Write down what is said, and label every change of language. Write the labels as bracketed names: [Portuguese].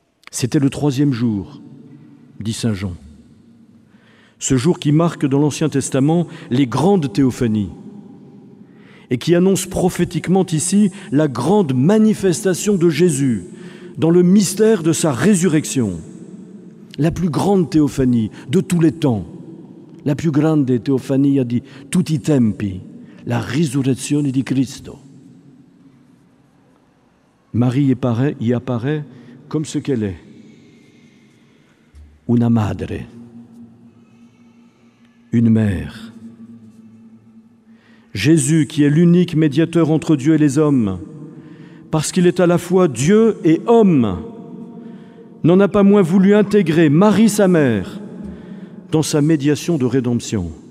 [French] C'était le troisième jour, dit saint Jean. Ce jour qui marque dans l'Ancien Testament les grandes théophanies et qui annonce prophétiquement ici la grande manifestation de Jésus dans le mystère de sa résurrection. La plus grande théophanie de tous les temps. [Italian] La più grande teofania di tutti i tempi. La risurrezione di Cristo. [French] Marie y apparaît comme ce qu'elle est, [Italian] una madre, [French] une mère. Jésus, qui est l'unique médiateur entre Dieu et les hommes, parce qu'il est à la fois Dieu et homme, n'en a pas moins voulu intégrer Marie, sa mère, dans sa médiation de rédemption.